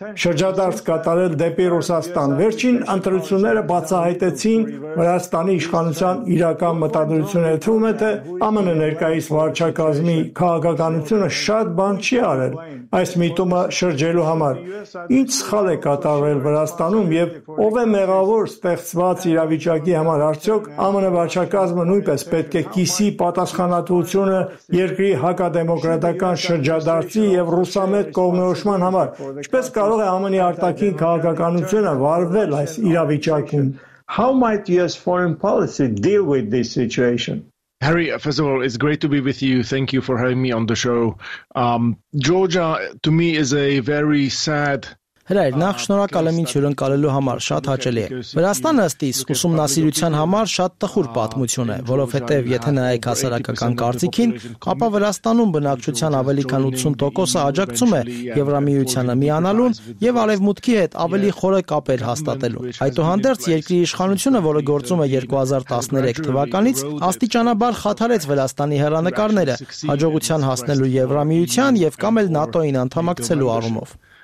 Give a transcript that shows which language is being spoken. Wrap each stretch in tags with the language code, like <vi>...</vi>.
<hy>շրջադարձ կատարել դեպի Ռուսաստան։ Վերջին ընտրությունները բացահայտեցին Վրաստանի իշխանության իրական մտադրությունները։ Թվում է, թե ԱՄՆ ներկայիս վարչակազմի քաղաքականությունը շատ բան չի արել այս միտումը շրջելու համար։ Ինչ սխալ է կատարվել Վրաստանում և ով է մեղավոր ստեղծված իրավիճակի համար? Արդյոք ԱՄՆ վարչակազմը նույնպես պետք է կիսի պատասխանատվությունը երկրի հակադեմոկրատական շրջադարձի և ռուսամետ կողմնորոշման համար? Ինչպես կարող է ԱՄՆ-ի արտաքին քաղաքականությունը վարվել այս իրավիճակում?</hy> <en>How might US foreign policy deal with this situation? Harry, first of all, it's great to be with you. Thank you for having me on the show. Georgia, to me, is a very sad...</en> <hy>Հրայր, նախ շնորհակալ եմ ինձ հյուրընկալելու համար, շատ հաճելի է։ Վրաստանը ըստ իս ուսումնասիրության համար շատ տխուր պատմություն է, որովհետև եթե նայեք հասարակական կարծիքին, ապա Վրաստանում բնակչության ավելի քան 80%-ը աջակցում է Եվրամիությանը միանալուն և արևմուտքի հետ ավելի խորը կապեր հաստատելու։ Այդուհանդերձ երկրի իշխանությունը, որը գործում է 2013 թվականից, աստիճանաբար խաթարեց Վրաստանի հեռանկարները հաջողության հասնելու Եվրամիության և կամ էլ ՆԱՏՕ-ին անդամակցելու առումով։</hy>